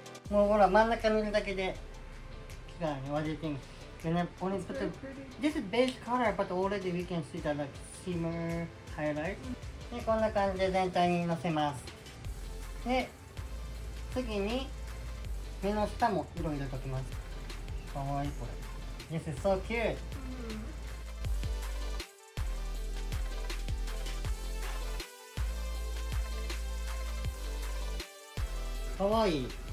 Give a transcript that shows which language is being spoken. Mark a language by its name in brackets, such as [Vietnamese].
[Japanese] もうほら、真ん中塗るだけで違うね、ワジティング。でね、ここに、 [English] This is beige color, but already we can see the like, shimmer highlight. [Japanese] で、こんな感じで全体にのせます。で、次に目の下も色入れときます。かわいいこれ。 [English] This is so cute!、 [Japanese] Mm-hmm. かわいい。